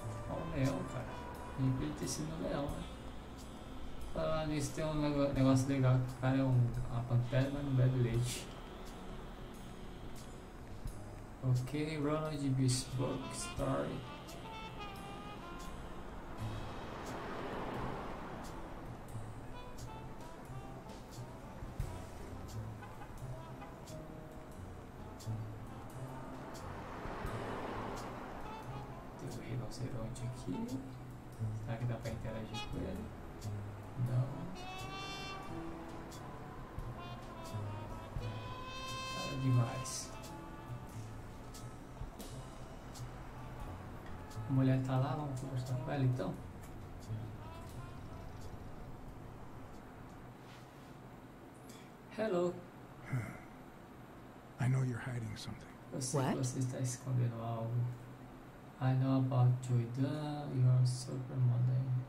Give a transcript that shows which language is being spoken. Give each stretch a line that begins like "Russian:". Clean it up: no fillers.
Portuguese: Olha o leão, cara. Nem pra ele ter sido um leão, né? Falando nisso, tem um negócio legal que o cara é uma pantera, mas não bebe leite. Ok, Ronald Bespoke Story. Tem um rinoceronte aqui. Será que dá pra interagir com ele? Não. Cara, demais. A mulher tá lá, vamos conversar com ela então.
English: Hello. I know you're hiding something.
Portuguese: Eu sei que você está escondendo algo.
English: I know about Joy Dunn, your supermodel.